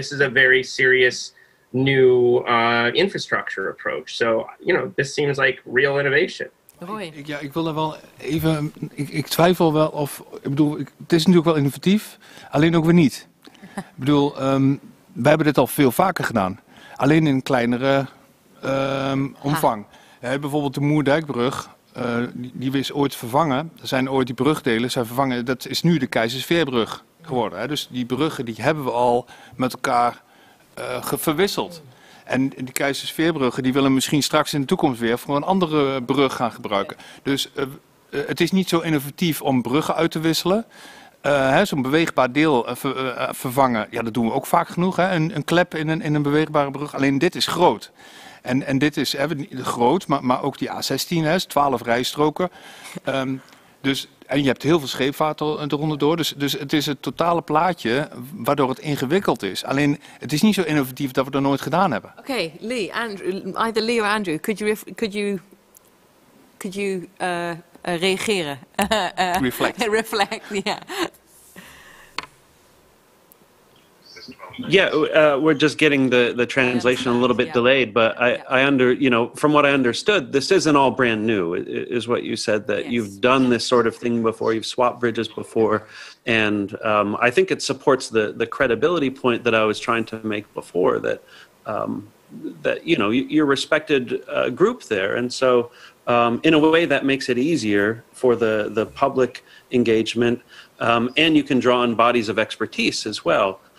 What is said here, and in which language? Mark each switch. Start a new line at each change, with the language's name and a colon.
English: This is a very serious new infrastructure approach. So, this seems like real innovation.
Dutch: Ik wil er wel even, ik twijfel wel of, ik bedoel, het is natuurlijk wel innovatief, alleen ook weer niet. Ik bedoel, wij hebben dit al veel vaker gedaan, alleen in kleinere omvang. Bijvoorbeeld de Moerdijkbrug. Die is ooit vervangen. Er zijn ooit die brugdelen zijn vervangen. Dat is nu de Keizersveerbrug. geworden. Hè? Dus die bruggen die hebben we al met elkaar verwisseld. En die Keizersveerbruggen die willen misschien straks in de toekomst weer voor een andere brug gaan gebruiken. Dus het is niet zo innovatief om bruggen uit te wisselen. Zo'n beweegbaar deel vervangen, ja, dat doen we ook vaak genoeg. Hè? Een klep in een beweegbare brug. Alleen dit is groot. En dit is groot, maar ook die A16, hè, 12 rijstroken. En je hebt heel veel scheepvaart eronder door. Dus het is het totale plaatje waardoor het ingewikkeld is. Alleen het is niet zo innovatief dat we dat nooit gedaan hebben.
English: Oké, Lee, Andrew, either Lee or Andrew, could you reageren? Reflect, ja. Yeah. Yeah, we're just getting the translation a little bit delayed, but from what I understood, this isn't all brand new, is what you said, that you've done this sort of thing before, you've swapped bridges before, and I think it supports the credibility point that I was trying to make before, that, you're a respected group there, and so in a way that makes it easier for the public engagement, and you can draw on bodies of expertise as well.